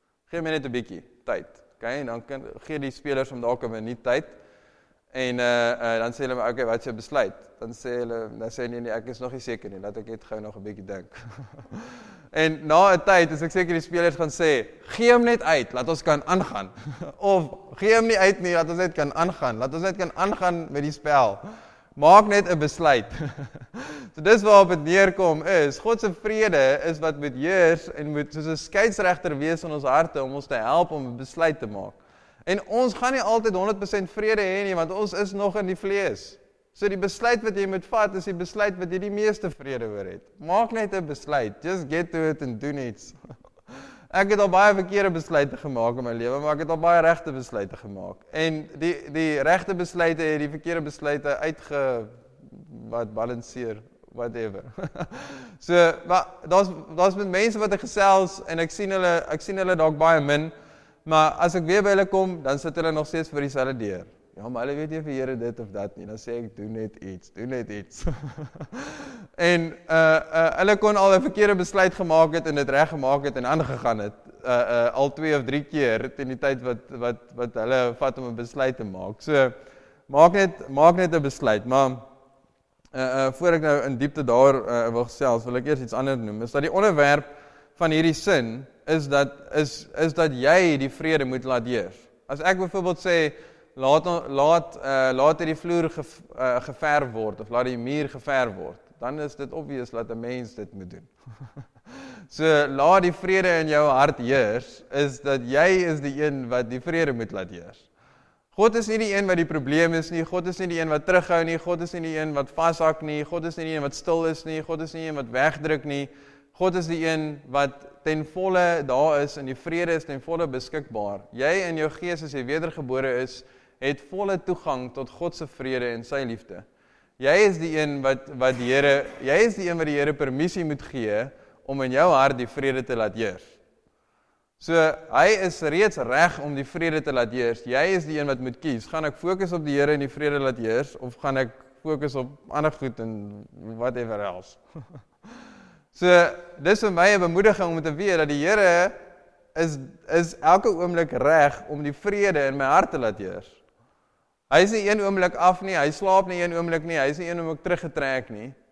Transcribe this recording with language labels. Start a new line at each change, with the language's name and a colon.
Afrikaans: Geef my net 'n bietjie tyd. Okay, en dan gee die spelers om dalk 'n minuut tyd. En dan sê hulle, okay, wat is jou besluit? Dan sê hulle, nee, ek is nog nie seker nie, laat ek net gou nog 'n bietjie dink. En na 'n tyd, is ek seker die spelers gaan sê, gee hom net uit, laat ons kan aangaan. Of, gee hom nie uit nie, laat ons net kan aangaan. Laat ons net kan aangaan met die spel. Maak net 'n besluit. So dis waarop het neerkom is, God se vrede is wat moet heers en moet soos 'n skeidsregter wees in ons harte om ons te help om 'n besluit te maak. En ons gaan nie altyd 100% vrede hê nie, want ons is nog in die vlees. So die besluit wat jy moet vat, is die besluit wat jy die meeste vrede oor het. Maak net 'n besluit.
English: Just get to it and do it.
Afrikaans: Ek het al baie verkeerde besluite gemaak in my lewe, maar ek het al baie regte besluite gemaak. En die regte besluite het die verkeerde besluite balanseer, whatever. So, daar's met mense wat ek gesels, en ek sien hulle dalk baie min, maar as ek weer by hulle kom, dan sit hulle nog steeds vir dieselfde deur. Ja, maar hulle weet nie of die Here dit of dat nie. Dan sê ek, doe net iets. En hulle kon al 'n verkeerde besluit gemaak het en dit reg gemaak het en aangegaan het. Al 2 of 3 keer in die tyd wat hulle vat om 'n besluit te maak. So, maak net 'n besluit. Maar, voor ek nou in diepte daar wil gesels, wil ek eers iets anders noem. Is dat die onderwerp van hierdie sin, is dat jy die vrede moet laat heers. As ek bijvoorbeeld sê, laat die vloer geverf word, of laat die muur geverf word, dan is dit obvious dat 'n mens dit moet doen. So, laat die vrede in jou hart heers, is dat jy is die een wat die vrede moet laat heers. God is nie die een wat die probleem is nie, God is nie die een wat terughou nie, God is nie die een wat vashak nie, God is nie die een wat stil is nie, God is nie die een wat wegdruk nie, God is die een wat ten volle daar is en die vrede is ten volle beskikbaar. Jy in jou gees, as jy wedergebore is, het volle toegang tot God se vrede en sy liefde. Jy is die een wat die Here permissie moet gee om in jou hart die vrede te laat heers. So, hy is reeds reg om die vrede te laat heers. Jy is die een wat moet kies. Gaan ek fokus op die Here en die vrede laat heers, of gaan ek fokus op ander goed en whatever else? So, dis vir my 'n bemoediging om te weet dat die Here is elke oomblik reg om die vrede in my hart te laat heers. Hy is nie een oomblik af nie, hy slaap nie een oomblik nie, hy is nie een oomblik teruggetrek nie.